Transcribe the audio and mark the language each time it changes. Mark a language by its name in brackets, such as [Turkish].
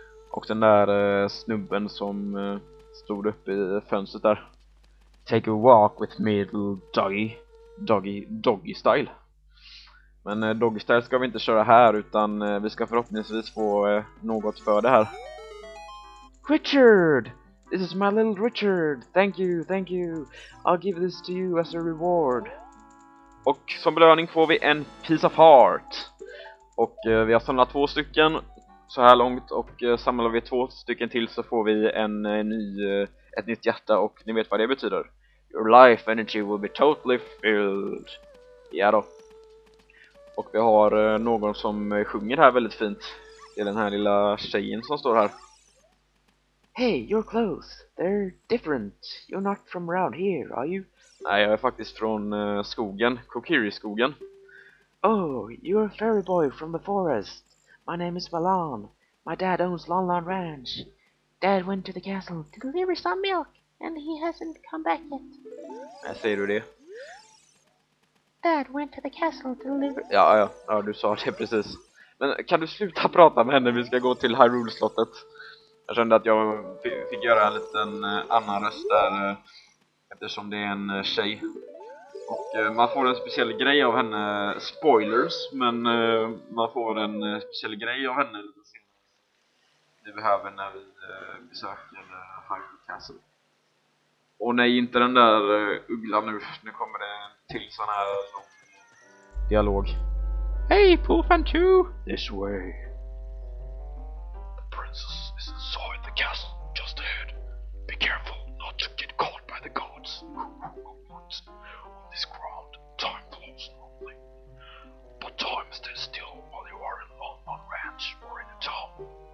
[Swedish] Och den där snubben som stod uppe i fönstret där. [English] Take a walk with me, little doggy. Doggy style. [Swedish] Men doggy style ska vi inte köra här, utan vi ska förhoppningsvis få något för det här. [English] Richard! This is my little Richard! Thank you! I'll give this to you as a reward. [Swedish] Och som belöning får vi en piece of heart. Och vi har samlat två stycken så här långt. Och samlar vi två stycken till så får vi ett nytt hjärta. Och ni vet vad det betyder. [English] Your life energy will be totally filled. [Swedish] Ja då. Och vi har någon som sjunger här väldigt fint. Det är den här lilla tjejen som står här. [English] Hey, your clothes. They're different. You're not from around here, are you? [Swedish] Nej, jag är faktiskt från skogen. Kokiri-skogen. [English] Oh, you're a fairy boy from the forest. My name is Valan. My dad owns Lon Lon Ranch. Dad went to the castle to deliver some milk, and he hasn't come back yet. [Swedish] Jag säger du det? [English] Dad went to the castle to deliver... [Swedish] Ja, du sa det precis. Men kan du sluta prata med henne? Vi ska gå till Hyrule-slottet. Jag kände att jag fick göra en liten annan röst där, eftersom det är en tjej. Och man får en speciell grej av henne, spoilers, men man får en speciell grej av henne lite senare. Det behöver när vi besöker Hyrule Castle. Och nej, inte den där ugglan nu, nu kommer det till sån här lång dialog. [English] Hey, Poofan 2! This way. The princess is inside the castle, just ahead. Be careful not to get caught by the guards. On this ground, time flows normally. But time stands still while you are in on ranch or in a town.